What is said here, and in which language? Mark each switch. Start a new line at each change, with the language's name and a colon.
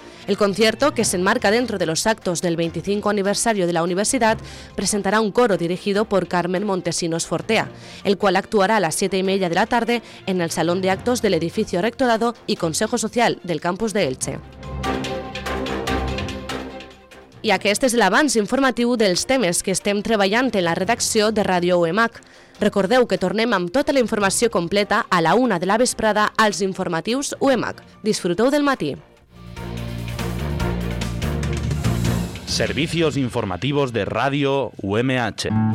Spanish: El concierto, que se enmarca dentro de los actos del 25 aniversario de la universidad, presentará un coro dirigido por Carmen Montesinos Fortea, el cual actuará a las 7 y media de la tarde en el Salón de Actos del Edificio Rectorado y Consejo Social del Campus de Elche.
Catalan: I aquest és l'avanç informatiu dels temes que estem treballant en la redacció de Radio UMH. Recordeu que tornem amb tota la informació completa a la una de la vesprada als informatius UMH. Disfruteu del matí.
Spanish: Servicios informativos de Radio UMH.